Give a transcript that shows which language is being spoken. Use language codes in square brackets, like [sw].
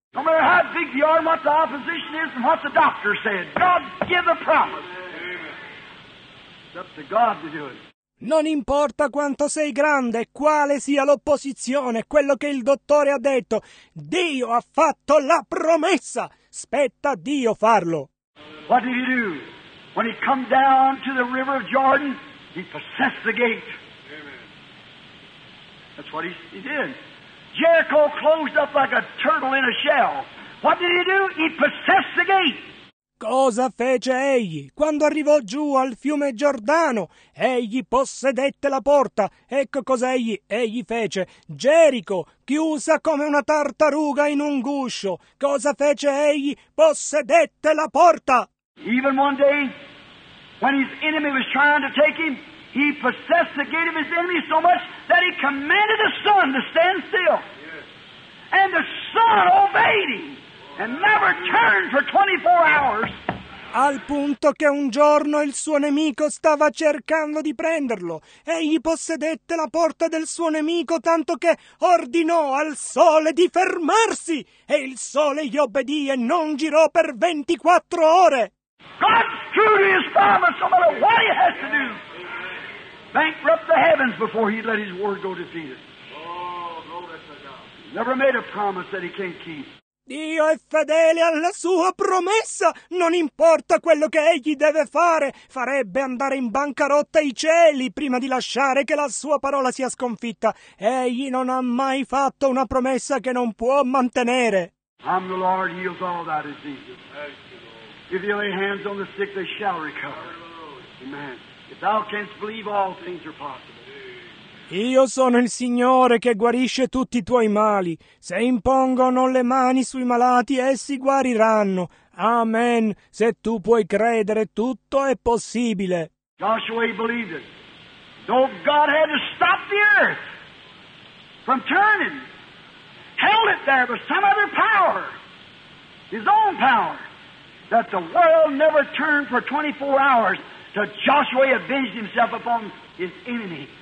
[en] No matter how big the arm, what the opposition is and what the doctor said, God give the promise. It's up to God to do it. [it] Non importa quanto sei grande, quale sia l'opposizione, quello che il dottore ha detto, Dio ha fatto la promessa. Spetta a Dio farlo. [en] What did he do? When he come down to the river of Jordan, he possessed the gate. Amen. That's what he did. Jericho closed up like a turtle in a shell. What did he do? He possessed the gate. [it] Cosa fece egli? Quando arrivò giù al fiume Giordano, egli possedette la porta. Ecco cosa egli fece. Gerico, chiusa come una tartaruga in un guscio. Cosa fece egli? Possedette la porta. [en] Even one day, when his enemy was trying to take him, he possessed the gate of his enemy so much that he commanded the sun to stand still. And the sun obeyed him. And never turned for 24 hours. [it] al punto che un giorno il suo nemico stava cercando di prenderlo. Egli possedette la porta del suo nemico, tanto che ordinò al sole di fermarsi, e il sole gli obbedì e non girò per 24 ore. [en] God's true to his promise, no matter what he has to do. Bankrupt the heavens before he let his word go defeated. Oh, glory to God. Never made a promise that he can't keep. [it] Dio è fedele alla sua promessa, non importa quello che egli deve fare, farebbe andare in bancarotta i cieli prima di lasciare che la sua parola sia sconfitta. Egli non ha mai fatto una promessa che non può mantenere. [en] I'm the Lord, heals all thy diseases. If you lay hands on the sick, they shall recover. Amen. If thou canst believe, all things are possible. [it] Io sono il Signore che guarisce tutti i tuoi mali. Se impongono le mani sui malati, essi guariranno. Amen. Se tu puoi credere, tutto è possibile. [en] Joshua believed it. Though God had to stop the earth from turning, held it there with some other power, his own power, that the world never turned for 24 hours till Joshua avenged himself upon his enemy.